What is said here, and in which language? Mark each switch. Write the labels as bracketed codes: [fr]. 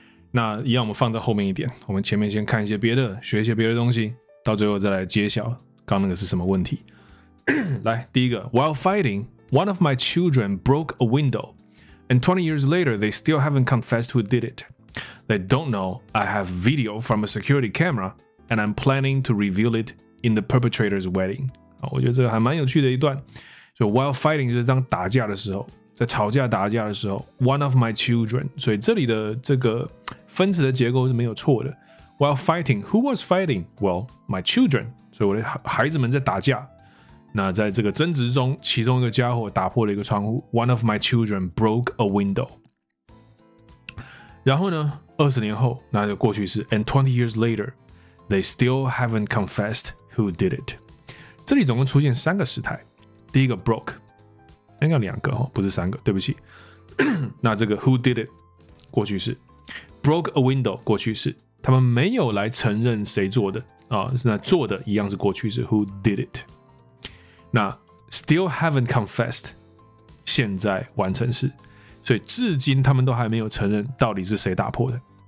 [zh] 那一样我们放在后面一点，我们前面先看一些别的，学一些别的东西，到最后再来揭晓刚那个是什么问题。来，第一个， [en] while fighting, one of my children broke a window. And 20 years later, they still haven't confessed who did it. They don't know I have video from a security camera, and I'm planning to reveal it in the perpetrator's wedding. [zh] 好，我觉得这个还蛮有趣的一段。 [en] So while fighting [zh] 就是当打架的时候，在吵架打架的时候 ， [en] one of my children. [zh] 所以这里的这个分词的结构是没有错的。 [en] While fighting, who was fighting? Well, my children. [zh] 所以我的孩子们在打架。那在这个争执中，其中一个家伙打破了一个窗户。 [en] One of my children broke a window. [zh] 然后呢，二十年后，那就过去式。 [en] And 20 years later, they still haven't confessed who did it. [zh] 这里总共出现三个时态。第一个 broke， 应该两个哈，不是三个，对不起。那这个 who did it， 过去式。 [en] Broke a window， [zh] 过去式。他们没有来承认谁做的啊，那做的一样是过去式。 [en] Who did it？ [zh] 那 [en] still haven't confessed， [zh] 现在完成式，所以至今他们都还没有承认到底是谁打破的。